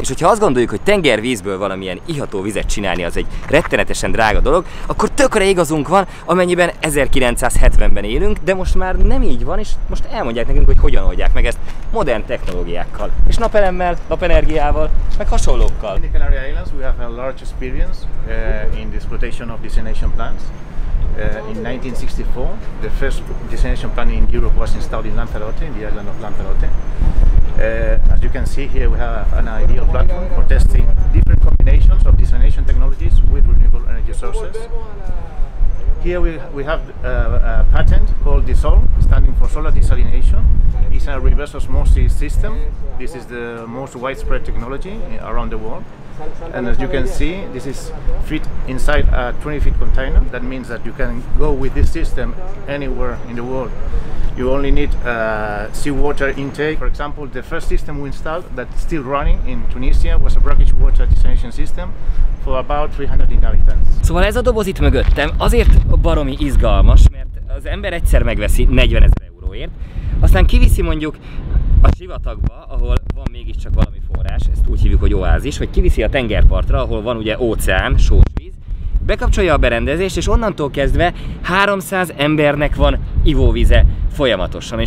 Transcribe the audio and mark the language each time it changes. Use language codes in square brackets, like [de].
[hu] És hogyha azt gondoljuk, hogy tengervízből valamilyen iható vizet csinálni az egy rettenetesen drága dolog, akkor tökre igazunk van, amennyiben 1970-ben élünk, de most már nem így van, és most elmondják nekünk, hogy hogyan oldják meg ezt modern technológiákkal. És napelemmel, napenergiával, meg hasonlókkal. [en] We have a large experience in the exploitation of desalination plants. In 1964, the first desalination plant in Europe was installed in Lanzarote, in the island of Lanzarote. As you can see here, we have an ideal platform for testing different combinations of desalination technologies with renewable energy sources. Here we have a patent called DESOL, standing for solar desalination. It's a reverse osmosis system. This is the most widespread technology around the world. And as you can see, this is fit inside a 20-foot container. That means that you can go with this system anywhere in the world. You only need seawater intake. For example, the first system we installed that's still running in Tunisia was a brackish water desalination system for about 300 inhabitants. [hu] Szóval ez a doboz itt mögöttem azért baromi izgalmas, mert az ember egyszer megveszi 40 ezer euróért, aztán kiviszi mondjuk a sivatagba, ahol van mégiscsak valami forrás, ezt úgy hívjuk, hogy oázis, vagy kiviszi a tengerpartra, ahol van ugye óceán, sós víz, bekapcsolja a berendezést, és onnantól kezdve 300 embernek van ivóvize folyamatosan.